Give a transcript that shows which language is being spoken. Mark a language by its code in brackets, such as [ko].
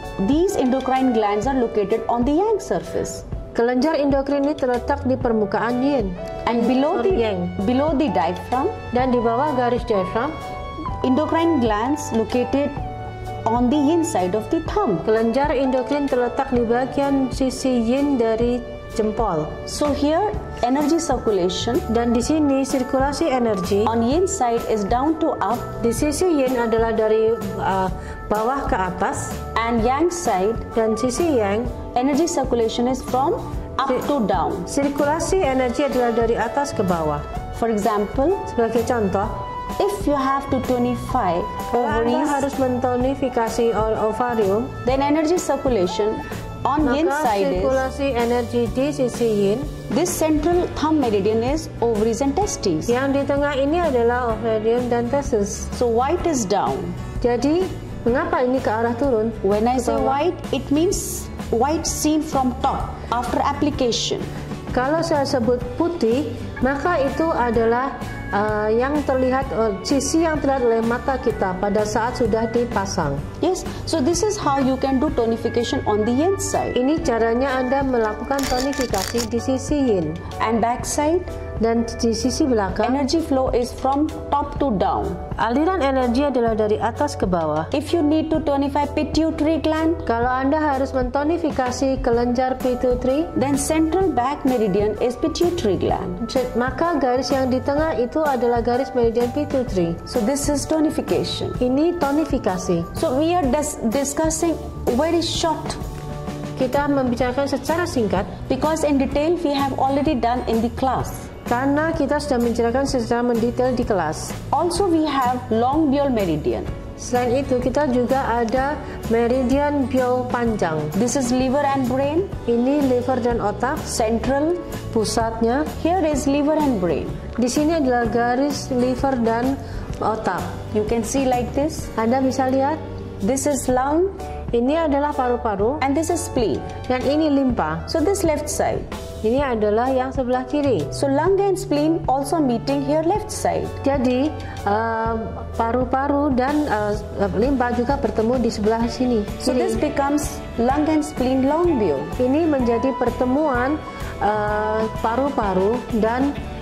[en] these endocrine glands are located on the yang surface. [id] Kelenjar endokrin ini terletak di permukaan yin. [en] And below the diaphragm, [id] dan di bawah garis diafragm, [en] endocrine glands located on the yin side of the thumb. [id] Kelenjar endokrin terletak di bagian sisi yin dari jempol. [en] So here energy circulation, [id] dan di sini sirkulasi energi [en] on yin side is down to up. [id] Di sisi yin adalah dari bawah ke atas. [en] And yang side, [id] dan sisi yang, [en] energy circulation is from up to down. [id] Sirkulasi energi adalah dari atas ke bawah. [en] For example, [id] sebagai contoh, [en] if you have to tonify ovaries, [id] Anda harus mentonifikasi ovarium, [en] then energy circulation on yin side is, [id] sirkulasi energi di sisi yin, [en] this central thumb meridian is ovaries and testes. [id] Yang di tengah ini adalah ovarium dan testes. [en] So white is down. [id] Jadi mengapa ini ke arah turun? [en] When I say white, it means white seen from top after application. [id] Kalau saya sebut putih, maka itu adalah yang terlihat, sisi yang terlihat oleh mata kita pada saat sudah dipasang. [en] Yes, so this is how you can do tonification on the yin side. [id] Ini caranya Anda melakukan tonifikasi di sisi yin. [en] And back side? [id] Dan di sisi belakang, [en] energy flow is from top to down. [id] Aliran energi adalah dari atas ke bawah. [en] If you need to tonify pituitary gland, [id] kalau Anda harus mentonifikasi kelenjar pituitary, [en] then central back meridian is pituitary gland. [id] Maka garis yang di tengah itu adalah garis meridian pituitary. [en] So this is tonification. [id] Ini tonifikasi. [en] So we are discussing very short. [id] Kita membicarakan secara singkat, [en] because in detail we have already done in the class. [id] Karena kita sudah menjelaskan secara mendetail di kelas. [en] Also we have long bial meridian. [id] Selain itu kita juga ada meridian bial panjang. [en] This is liver and brain. [id] Ini liver dan otak. [en] Central, [id] pusatnya. [en] Here is liver and brain. [id] Di sini adalah garis liver dan otak. [en] You can see like this. [id] Anda bisa lihat. [en] This is lung. [id] Ini adalah paru-paru. [en] And this is spleen. [id] Dan ini limpa. [en] So this left side. [id] Ini adalah yang sebelah kiri. [en] So lung and spleen also meeting here left side. [id] Jadi paru-paru dan limpa juga bertemu di sebelah sini. [en] So this becomes lung and spleen long bill. [id] Ini menjadi pertemuan paru-paru dan